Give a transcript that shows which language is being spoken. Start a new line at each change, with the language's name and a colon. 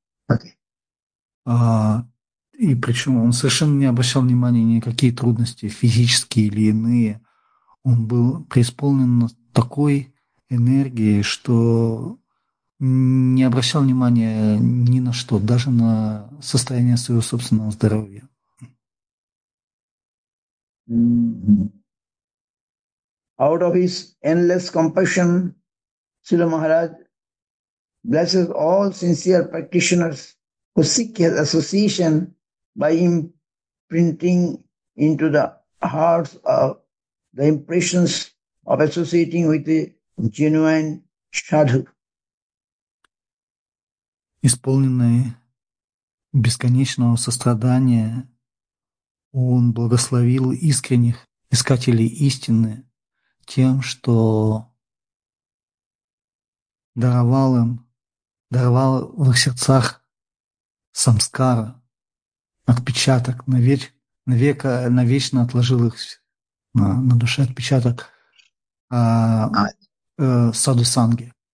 English: Okay.
Russian: И причем он совершенно не обращал внимания ни на какие трудности, физические или иные. Он был преисполнен такой энергией, что не обращал внимания ни на что, даже на состояние своего собственного здоровья.
English: Out of his endless compassion, Srila Maharaj blesses all sincere practitioners who seek his association by imprinting into the hearts of the impressions of associating with a genuine sadhu.
Russian: Исполненный бесконечного сострадания, он благословил искренних искателей истины тем, что даровал им, даровал в их сердцах самскара, отпечаток, навечно отложил их на душе отпечаток саду санги.